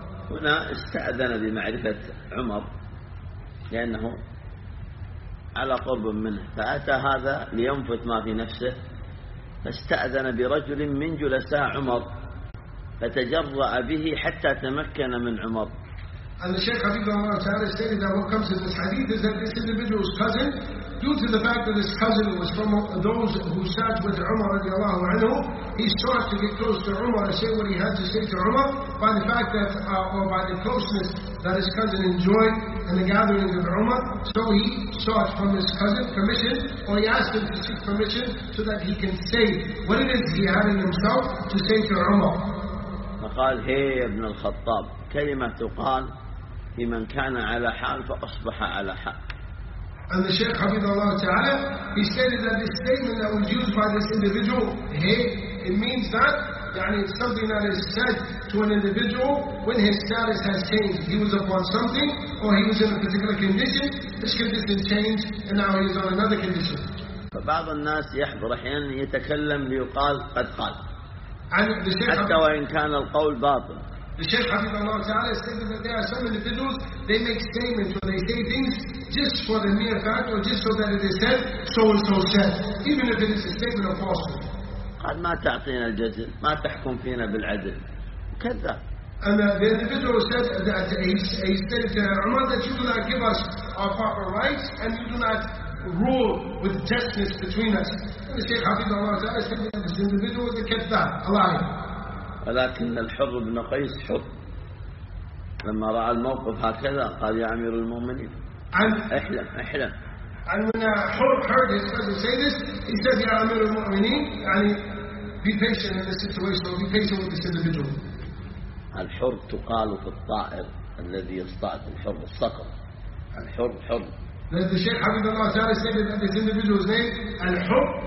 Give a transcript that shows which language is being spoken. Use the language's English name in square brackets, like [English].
[Arabic] هنا استأذن بمعرفة عمر لأنه على قرب منه فأتى هذا لينفث ما في نفسه فاستأذن برجل من جلساء عمر فتجرأ به حتى تمكن من عمر. [English] And the Shaykh Hafidhullah Ta'ala stated that what comes in this hadith is that this individual's cousin, due to the fact that his cousin was from those who sat with Umar radiallahu anhu, he sought to get close to Umar and say what he had to say to Umar by the fact that, or by the closeness that his cousin enjoyed and the gatherings of Umar. So he sought from his cousin permission, or he asked him to seek permission so that he can say what it is he had in himself to say to Umar. [Arabic] فقال هي يا ابن الخطاب كلمة تقال في من كان على حال فأصبح على حق. [English] And the Sheikh Hafidhullah Ta'ala, he stated that this statement that was used by this individual, hey, it means that يعني, it's something that is said to an individual when his status has changed. He was upon something, or he was in a particular condition, this condition changed, and now he is on another condition. [Arabic] فبعض الناس يحضر أحيانا يتكلم ليقال قد قال. حتى وإن كان القول باطل. [English] The Sheikh Hafidhullah Ta'ala stated that there are some individuals, they make statements or they say things just for the mere fact or just so that it is said, so and so said, even if it is a statement of falsehood. [Arabic] قال ما تعطينا الجزل ما تحكم فينا بالعدل كذا. [English] And the individual said that he said to Umar that you do not give us our proper rights and you do not rule with justice between us. The Sheikh Hafidhullah Ta'ala said that this individual was a kaddah, a liar. [Arabic] ولكن الحر بن قيس حر لما رأى الموقف هكذا قال يا أمير المؤمنين احلم احلم. [English] And when حر heard his cousin say this, he said [Arabic] يا أمير المؤمنين يعني [English] be patient in this situation or be patient with this individual. [Arabic] الحر تقال في الطائر الذي يصطاد الحر الصقر. الحر حر. [English] The Sheikh Hafidhullah Ta'ala said that this individual's name الحر